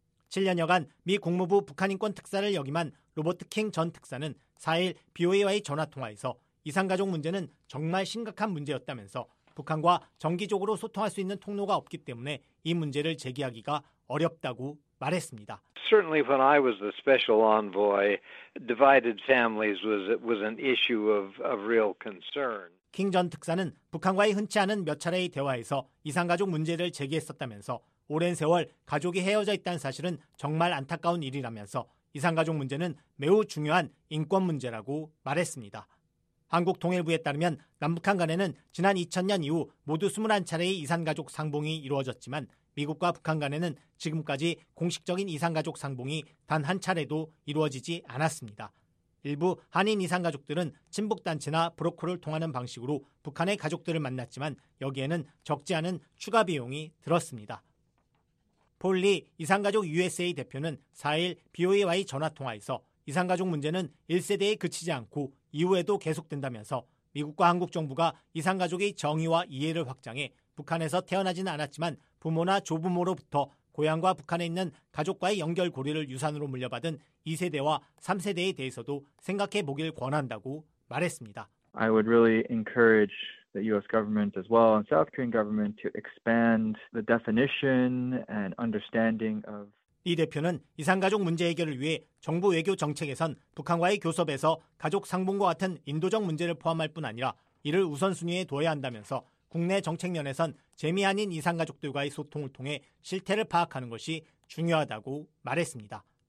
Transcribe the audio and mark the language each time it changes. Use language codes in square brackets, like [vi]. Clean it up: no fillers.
[ko] 7년여간 미 국무부 북한인권 특사를 역임한 로버트 킹 전 특사는 4일 BOA와의 전화통화에서 이산가족 문제는 정말 심각한 문제였다면서 북한과 정기적으로 소통할 수 있는 통로가 없기 때문에 이 문제를 제기하기가 어렵다고 말했습니다. [en] Certainly when I was the special envoy, divided families was an issue of real concern. [ko] 킹 전 특사는 북한과의 흔치 않은 몇 차례의 대화에서 이산가족 문제를 제기했었다면서 오랜 세월 가족이 헤어져 있다는 사실은 정말 안타까운 일이라면서 이산가족 문제는 매우 중요한 인권 문제라고 말했습니다. 한국 통일부에 따르면 남북한 간에는 지난 2000년 이후 모두 21차례의 이산가족 상봉이 이루어졌지만 미국과 북한 간에는 지금까지 공식적인 이산가족 상봉이 단 한 차례도 이루어지지 않았습니다. 일부 한인 이산가족들은 친북단체나 브로커를 통하는 방식으로 북한의 가족들을 만났지만 여기에는 적지 않은 추가 비용이 들었습니다. 폴 리 이산가족 USA 대표는 4일 BOA와의 전화통화에서 이산가족 문제는 1세대에 그치지 않고 이후에도 계속된다면서 미국과 한국 정부가 이산가족의 정의와 이해를 확장해 북한에서 태어나지는 않았지만 부모나 조부모로부터 고향과 북한에 있는 가족과의 연결고리를 유산으로 물려받은 2세대와 3세대에 대해서도 생각해보길 권한다고 말했습니다. [en] I would really encourage the U.S. government as well and South Korean government to expand the definition and understanding of [ko] 이 대표는 이산가족 문제 해결을 위해 정부 외교 정책에선 북한과의 교섭에서 가족 상봉과 같은 인도적 문제를 포함할 뿐 아니라 이를 우선순위에 둬야 한다면서 국내 정책 면에선 재미 아닌 이산가족들과의 소통을 통해 실태를 파악하는 것이 중요하다고 말했습니다.